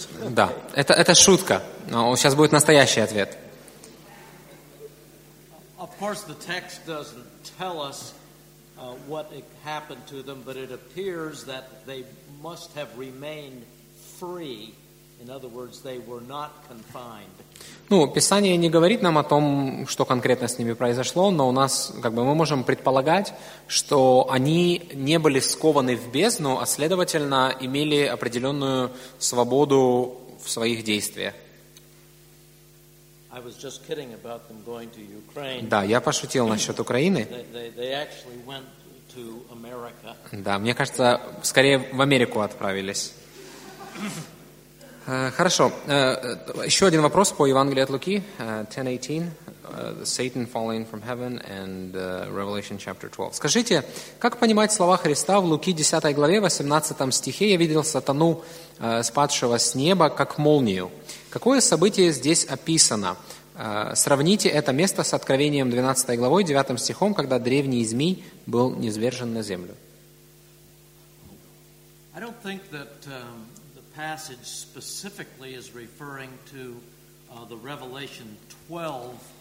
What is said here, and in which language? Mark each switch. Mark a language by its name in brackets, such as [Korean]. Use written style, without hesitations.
[Russian] Да, это шутка. Но сейчас будет настоящий ответ. [English] Of course, the text doesn't tell us what happened to them, but it appears that they must have remained free. In other words, they were not confined. [Russian] Ну, Писание не говорит нам о том, что конкретно с ними произошло, но у нас, как бы, мы можем предполагать, что они не были скованы в бездну, а следовательно имели определенную свободу в своих действиях. [English] I was just kidding about them going to Ukraine. [Russian] Да, я пошутил насчет Украины. [English] They actually went to America. [Russian] Да, мне кажется, скорее в Америку отправились. Хорошо. Еще один вопрос по Евангелию от Луки, 10:18. [English] Satan falling from heaven and Revelation chapter 12. [Russian] Скажите, как понимать слова Христа в Луки 10 главе 18 стихе? Я видел сатану, спадшего с неба, как молнию. Какое событие здесь описано? Сравните это место с Откровением 12 главой 9 стихом, когда древний змей был низвержен на землю. [English] I don't think that the passage specifically is referring to the Revelation 12.